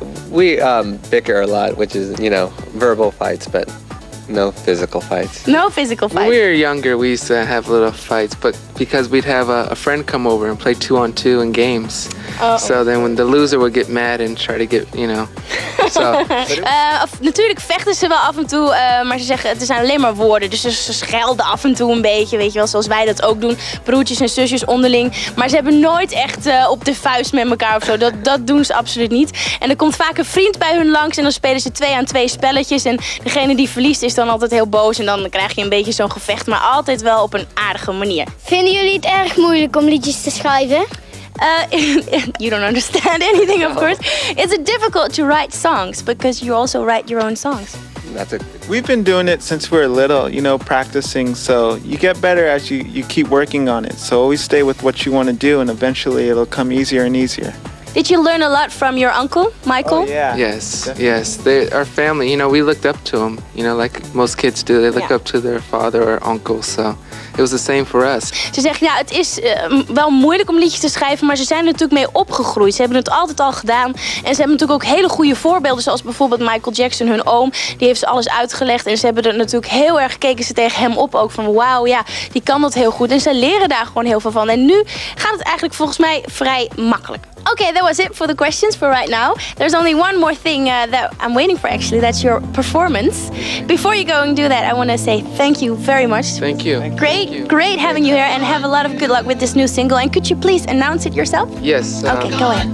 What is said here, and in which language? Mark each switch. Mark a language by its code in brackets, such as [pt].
[en] We bicker a lot, which is, you know, verbal fights, but no physical fights. No physical fights. When we were younger, we used to have little fights, but because we'd have a friend come over and play two-on-two in games. So then when the loser would get mad and try to get, you know, so. [nl] Natuurlijk vechten ze wel af en toe, maar ze zeggen, het zijn alleen maar woorden. Dus ze schelden af en toe een beetje, weet je wel, zoals wij dat ook doen. Broertjes en zusjes onderling. Maar ze hebben nooit echt op de vuist met elkaar of zo. Dat doen ze absoluut niet. En er komt vaak een vriend bij hun langs en dan spelen ze twee aan twee spelletjes. En degene die verliest is dan altijd heel boos en dan krijg je een beetje zo'n gevecht. Maar altijd wel op een aardige manier. Vinden jullie het erg moeilijk om liedjes te schrijven? [en] You don't understand anything, of course. Is it difficult to write songs because you also write your own songs? We've been doing it since we were little, you know, practicing. So you get better as you keep working on it. So always stay with what you want to do and eventually it'll come easier and easier. Did you learn a lot from your uncle, Michael? Oh, yeah. Yes, definitely. Yes. Our family, you know, we looked up to him, you know, like most kids do. They look up to their father or uncle, so it was the same for us. [nl] Ze zeggen, ja, het is wel moeilijk om liedjes te schrijven, maar ze zijn er natuurlijk mee opgegroeid. Ze hebben het altijd al gedaan en ze hebben natuurlijk ook hele goede voorbeelden, zoals bijvoorbeeld Michael Jackson, hun oom. Die heeft ze alles uitgelegd en ze hebben er natuurlijk heel erg gekeken, ze tegen hem op ook, van wauw, ja, die kan dat heel goed. En ze leren daar gewoon heel veel van. En nu gaat het eigenlijk volgens mij vrij makkelijk. [en] Okay, that was it for the questions for right now. There's only one more thing that I'm waiting for, actually. That's your performance. Before you go and do that, I want to say thank you very much. Thank you. Great having you here, and have a lot of good luck with this new single. And could you please announce it yourself? Yes. Okay, go ahead.